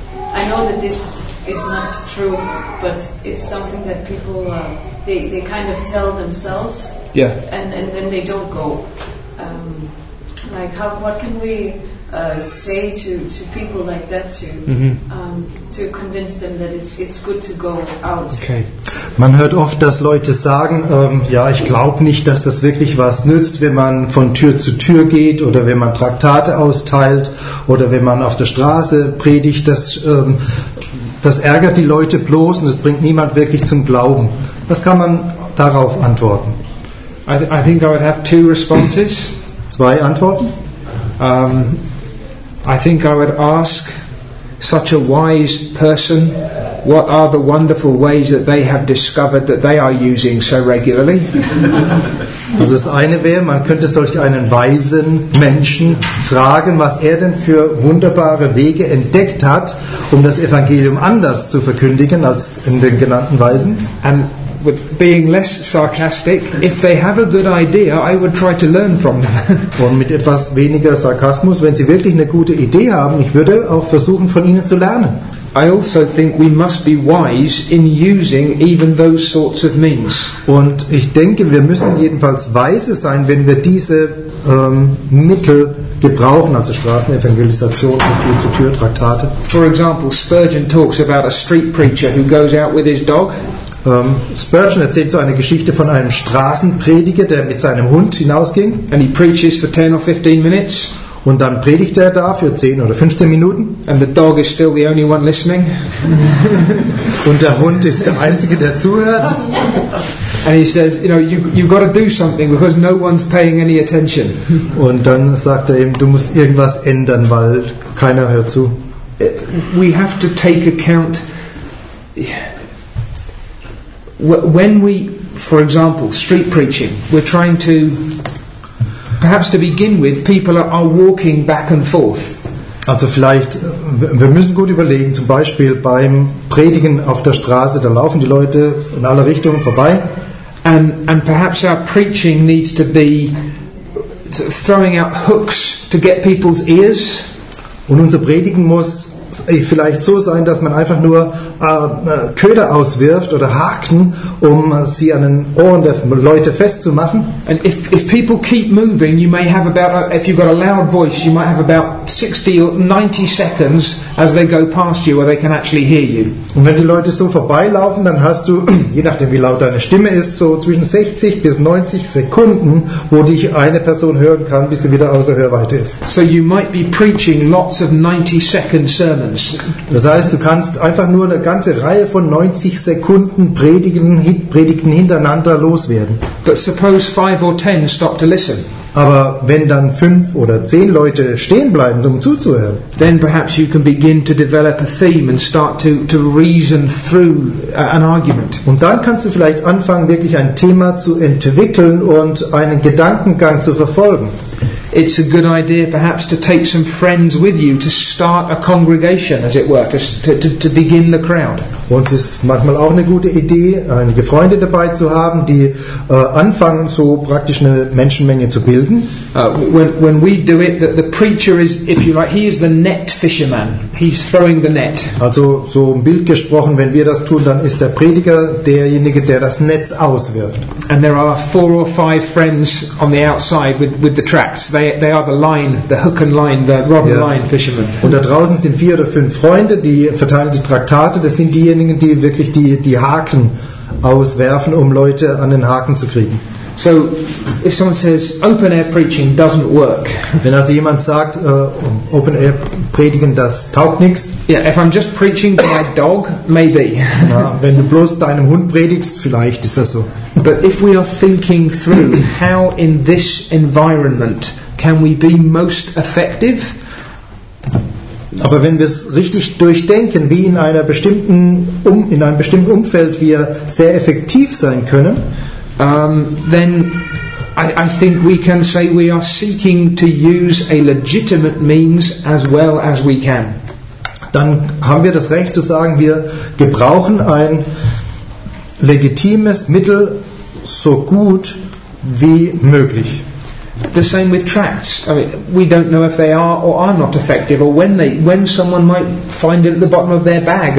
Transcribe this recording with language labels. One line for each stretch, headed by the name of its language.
English: I know that this is not true, but it's something that people they kind of tell themselves. Yeah. And then they don't go. What can we say to people like that to convince them that it's good to go out? Okay.
German: Man hört oft, dass Leute sagen, ich glaube nicht, dass das wirklich was nützt, wenn man von Tür zu Tür geht oder wenn man Traktate austeilt oder wenn man auf der Straße predigt, das ärgert die Leute bloß und es bringt niemand wirklich zum Glauben. Was kann man darauf antworten?
English: I think I would have two responses.
German: Zwei Antworten.
English: I think I would ask such a wise person what are the wonderful ways that they have discovered that they are using so regularly.
German: Also das eine wäre, man könnte solch einen weisen Menschen fragen, was er denn für wunderbare Wege entdeckt hat, um das Evangelium anders zu verkündigen als in den genannten Weisen.
English: And with being less sarcastic, if they have a good idea, I would try to learn from them.
German: Und mit etwas weniger Sarkasmus, wenn sie wirklich eine gute Idee haben, ich würde auch versuchen, von ihnen zu lernen.
English: I also think we must be wise in using even those sorts of means.
German: Und ich denke, wir müssen jedenfalls weise sein, wenn wir diese Mittel gebrauchen, also Straßenevangelisation, Tür zu Tür Traktate.
English: For example, Spurgeon talks about a street preacher who goes out with his dog.
German: Spurgeon erzählt so eine Geschichte von einem Straßenprediger, der mit seinem Hund hinausging.
English: And he preaches for 10 or 15 minutes.
German: Und dann predigt er da für 10 oder 15 Minuten.
English: And the dog is still the only one listening.
German: Und der Hund ist der Einzige, der zuhört.
English: And he says, you know, you've got to do something because no one's paying any attention.
German: Und dann sagt er ihm, du musst irgendwas ändern, weil keiner hört zu.
English: We have to take account. When we, for example, street preaching, we're trying to, perhaps to begin with, people are walking back and forth.
German: Also vielleicht, wir müssen gut überlegen, zum Beispiel beim Predigen auf der Straße, da laufen die Leute in alle Richtungen vorbei.
English: And perhaps our preaching needs to be throwing out hooks to get people's ears.
German: Und unser Predigen muss vielleicht so sein, dass man einfach nur Köder auswirft oder Haken, um sie an den Ohren der Leute festzumachen.
English: And if people keep moving, you may have about, if you've got a loud voice, you might have about 60 or 90 seconds as they go past you, where they can actually hear you.
German: Und wenn die Leute so vorbeilaufen, dann hast du, je nachdem wie laut deine Stimme ist, so zwischen 60 bis 90 Sekunden, wo dich eine Person hören kann, bis sie wieder außer Hörweite ist.
English: So you might be preaching lots of 90 seconds.
German: Das heißt, du kannst einfach nur eine ganze Reihe von 90 Sekunden Predigten hintereinander loswerden.
English: But suppose 5 or 10 stop to listen.
German: Aber wenn dann 5 oder 10 Leute stehen bleiben, um zuzuhören,
English: then perhaps you can begin to develop a theme and start to reason through an argument.
German: Und dann kannst du vielleicht anfangen, wirklich ein Thema zu entwickeln und einen Gedankengang zu verfolgen.
English: It's a good idea perhaps to take some friends with you to start a congregation, as it were, to begin the crowd.
German: Und es ist manchmal auch eine gute Idee, einige Freunde dabei zu haben, die anfangen, so praktisch eine Menschenmenge zu bilden.
English: When we do it, the preacher is, if you like, he is the net fisherman. He's throwing the net.
German: Also so im Bild gesprochen, wenn wir das tun, dann ist der Prediger derjenige, der das Netz auswirft.
English: And there are four or five friends on the outside with the tracts. They are the line, the hook and line, the rod and line fishermen.
German: Und da draußen sind vier oder fünf Freunde, die verteilen die Traktate. Das sind diejenigen, die wirklich die Haken auswerfen, um Leute an den Haken zu kriegen.
English: So, if someone says open air preaching doesn't work.
German: Wenn also jemand sagt, open air predigen, das taugt nichts.
English: Yeah, if I'm just preaching to my dog, maybe.
German: Ja, wenn du bloß deinem Hund predigst, vielleicht ist das so.
English: But if we are thinking through how in this environment can we be most effective.
German: Aber wenn wir es richtig durchdenken, wie in einer bestimmten in einem bestimmten Umfeld wir sehr effektiv sein können,
English: Then I think we can say we are seeking to use a legitimate means as well as we can.
German: Dann haben wir das Recht zu sagen, wir gebrauchen ein legitimes Mittel so gut wie möglich.
English: The same with tracts. I mean, we don't know if they are or are not effective, or when someone might find it at the bottom of their bag.